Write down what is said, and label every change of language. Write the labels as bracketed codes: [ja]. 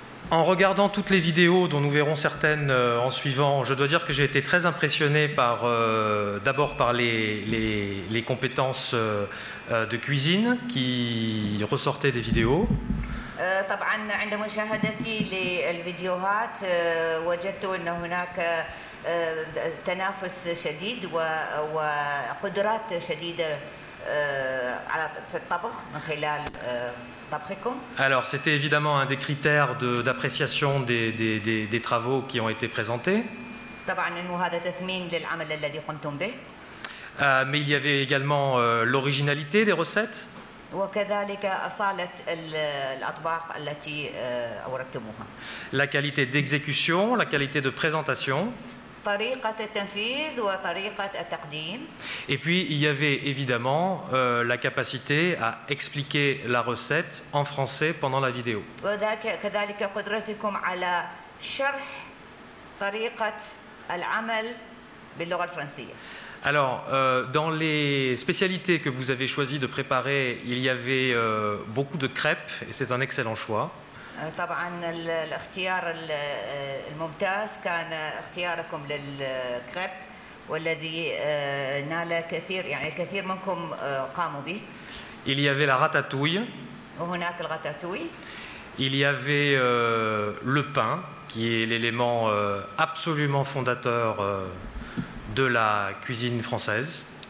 [fr] En regardant toutes les vidéos dont nous verrons certaines en suivant, je dois dire que j'ai été très impressionné par d'abord par les compétences de cuisine qui ressortaient des vidéos. [ar] طبعا عند مشاهدتي للفيديوهات وجدت ان هناك تنافس شديد وقدرات شديده على الطبخ من خلال طبخكم. [fr] Alors c'était évidemment un des critères d'appréciation des travaux qui ont été présentés. [ar] طبعا انه هذا تثمين للعمل الذي قمتم به. [fr] Mais il y avait également l'originalité des recettes. [ar] وكذلك أصالة الأطباق التي أوردتموها. [fr] La qualité d'exécution, la qualité de présentation. [ar] طريقة التنفيذ وطريقة التقديم. [fr] Et puis il y avait évidemment la capacité à expliquer la recette en français pendant la vidéo. [ar] وكذلك قدرتكم على شرح طريقة العمل باللغة الفرنسية. [fr] Alors, dans les spécialités que vous avez choisi de préparer, il y avait beaucoup de crêpes, et c'est un excellent choix. Évidemment, le choix était votre choix pour les crêpes. [ar] والذي نال كثير يعني كثير منكم قاموا به. [fr] Il y avait la ratatouille. [ar] وهناك الغاتاتوي. [fr] Il y avait le pain, qui est l'élément absolument fondateur de la cuisine française.